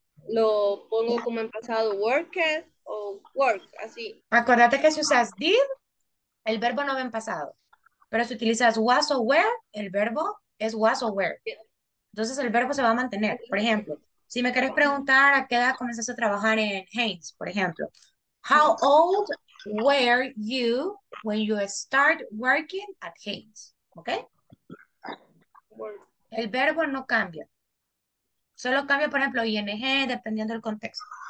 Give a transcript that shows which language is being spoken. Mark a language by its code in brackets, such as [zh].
[es] Lo pongo como en pasado, worked o work, así. Acuérdate que si usas did, el verbo no va en pasado. Pero si utilizas was o were, el verbo es was o were. Entonces el verbo se va a mantener. Por ejemplo, si me querés preguntar a qué edad comenzaste a trabajar en Haines, por ejemplo. [en] How old were you when you start working at Haines? [es] ¿Ok? El verbo no cambia. Solo cambia, por ejemplo, ING, dependiendo del contexto.